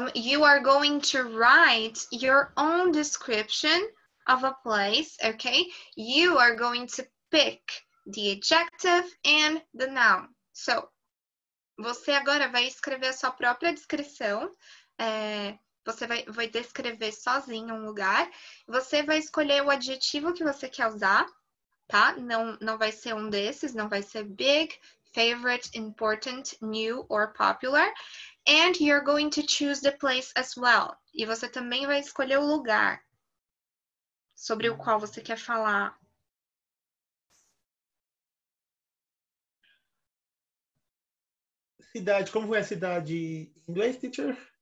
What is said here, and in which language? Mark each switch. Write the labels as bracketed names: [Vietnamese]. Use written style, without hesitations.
[English] you are going to write your own description of a place, okay? You are going to pick the adjective and the noun. [Portuguese] So, você agora vai escrever a sua própria descrição. Você vai descrever sozinho um lugar. Você vai escolher o adjetivo que você quer usar, tá? Não vai ser um desses, não vai ser big, favorite, important, new or popular. [English] And you're going to choose the place as well. [Portuguese] E você também vai escolher o lugar sobre o qual você quer falar. Cidade, como é a cidade em inglês, teacher?